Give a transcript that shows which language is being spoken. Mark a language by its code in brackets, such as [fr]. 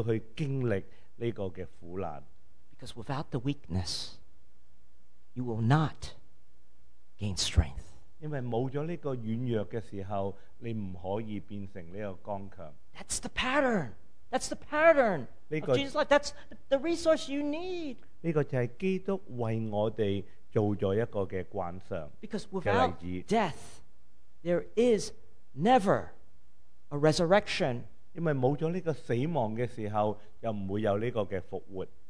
[zh] 但你要先要进入这个泥土里面，你先要去经历这个苦难。 [en] Because without the weakness, you will not gain strength. [zh] 因为没有了这个软弱的时候，你不可以变成这个刚强。 [en] That's the pattern. That's the pattern. Of Jesus' life. That's the resource you need. [zh] 这个就是基督为我们做了一个惯常。 [en] Because without death, there is never a resurrection. [zh] 因为没有了这个死亡的时候，又不会有这个复活。